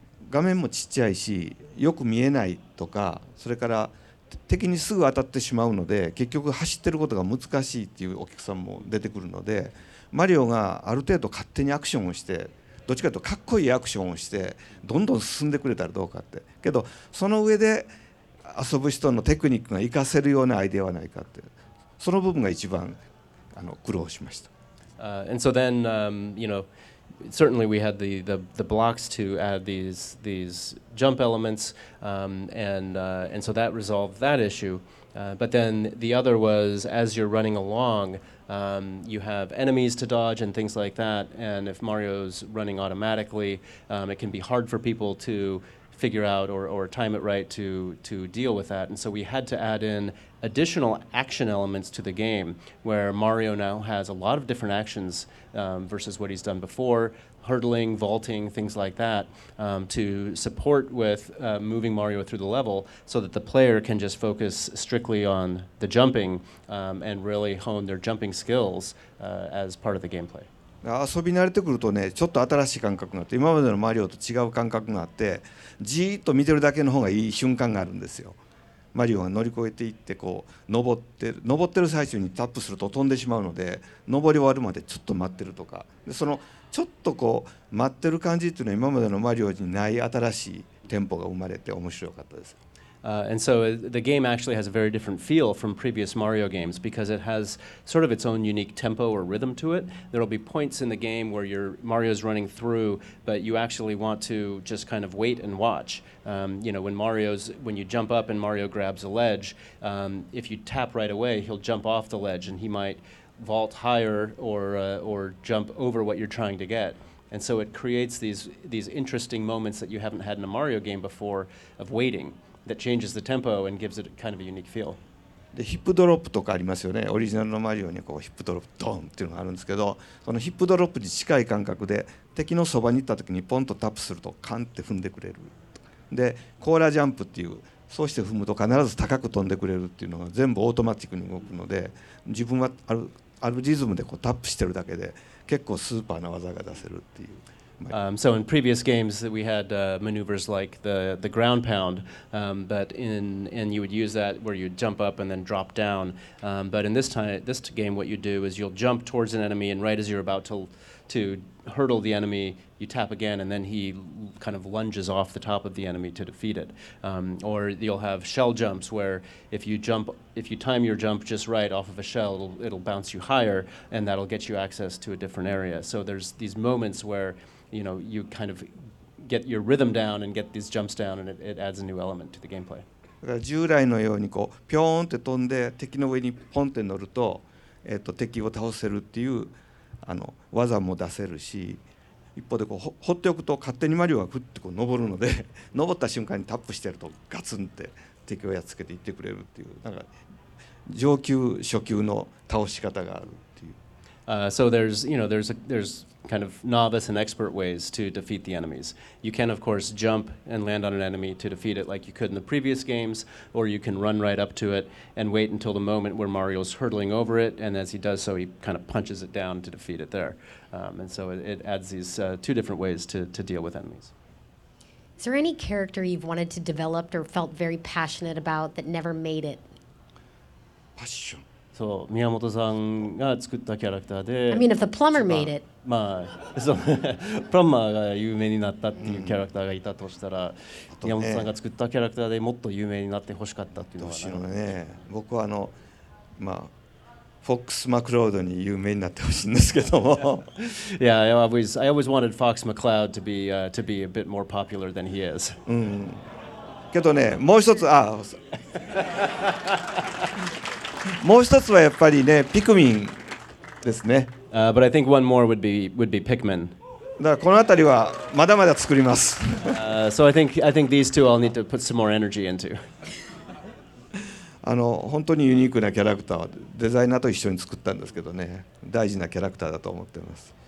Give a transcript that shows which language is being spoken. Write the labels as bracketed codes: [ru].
[ja] 画面もちっちゃいしよく見えないとかそれから敵にすぐ当たってしまうので結局走ってることが難しいっていうお客さんも出てくるのでマリオがある程度勝手にアクションをしてどっちかというとかっこいいアクションをしてどんどん進んでくれたらどうかってけどその上で遊ぶ人のテクニックが活かせるようなアイデアはないかってその部分が一番苦労しました。 [en] And so then, you know, certainly we had the blocks to add these jump elements, and so that resolved that issue. But then the other was as you're running along, you have enemies to dodge and things like that. And if Mario's running automatically, it can be hard for people to figure out or time it right to deal with that. And so we had to add in additional action elements to the game where Mario now has a lot of different actions versus what he's done before, hurdling, vaulting, things like that, to support with moving Mario through the level so that the player can just focus strictly on the jumping and really hone their jumping skills as part of the gameplay. [ja] 遊び慣れてくるとね、ちょっと新しい感覚があって、今までのマリオと違う感覚があって、じーっと見てるだけの方がいい瞬間があるんですよ。マリオが乗り越えていってこう登ってる最中にタップすると飛んでしまうので登り終わるまでちょっと待ってるとかでそのちょっとこう待ってる感じっていうのは今までのマリオにない新しいテンポが生まれて面白かったです。 [en] And so the game actually has a very different feel from previous Mario games because it has sort of its own unique tempo or rhythm to it. There will be points in the game where Mario's running through, but you actually want to just kind of wait and watch. You know, when you jump up and Mario grabs a ledge, if you tap right away, he'll jump off the ledge and he might vault higher or jump over what you're trying to get. And so it creates these interesting moments that you haven't had in a Mario game before of waiting. That changes the tempo and gives it kind of a unique feel. [ja] で、ヒップドロップとかありますよね。オリジナルのマリオにこうヒップドロップドンっていうのがあるんですけど、そのヒップドロップに近い感覚で敵のそばに行った時にポンとタップするとカンって踏んでくれる。で、コーラジャンプっていう、そうして踏むと必ず高く飛んでくれるっていうのが全部オートマティックに動くので、自分はあるリズムでこうタップしてるだけで結構スーパーな技が出せるっていう。 [en] So in previous games we had maneuvers like the ground pound, but you would use that where you'd jump up and then drop down. But in this game, what you do is you'll jump towards an enemy, and right as you're about to hurdle the enemy, you tap again, and then he kind of lunges off the top of the enemy to defeat it. Or you'll have shell jumps where if you time your jump just right off of a shell, it'll bounce you higher, and that'll get you access to a different area. So there's these moments where you know, you kind of get your rhythm down and get these jumps down, and it adds a new element to the gameplay. [ja] だから従来のようにこうピョーンって飛んで敵の上にポンって乗ると、敵を倒せるっていう技も出せるし、一方でこう放っておくと勝手にマリオがふってこう登るので、登った瞬間にタップしてるとガツンって敵をやっつけていってくれるっていうなんか上級初級の倒し方があるっていう。 [en] So there's, you know, there's kind of novice and expert ways to defeat the enemies. You can, of course, jump and land on an enemy to defeat it like you could in the previous games, or you can run right up to it and wait until the moment where Mario's hurtling over it, and as he does so, he kind of punches it down to defeat it there. And so it adds these two different ways to deal with enemies. Is there any character you've wanted to develop or felt very passionate about that never made it? Passion. [ja] そう、宮本さんが作ったキャラクターで、 [en] I mean, if the plumber made it. [ja] まあ、そう、プラマーが有名になったっていうキャラクターがいたとしたら、うん、宮本さんが作ったキャラクターでもっと有名になってほしかったっていうのはどうしようね。僕はあの、まあ、フォックス・マクロードに有名になってほしいんですけども。 [en] Yeah, I always wanted Fox McCloud to be a bit more popular than he is. [ja] うん。けどね、もう一つ、あ、もう一つはやっぱりね、ピクミンですね。 [en] But I think one more would be Pikmin. [ja] だからこの辺りはまだまだ作ります。 [en] So I think these two I'll need to put some more energy into. [ja] あの、本当にユニークなキャラクターはデザイナーと一緒に作ったんですけどね、大事なキャラクターだと思ってます。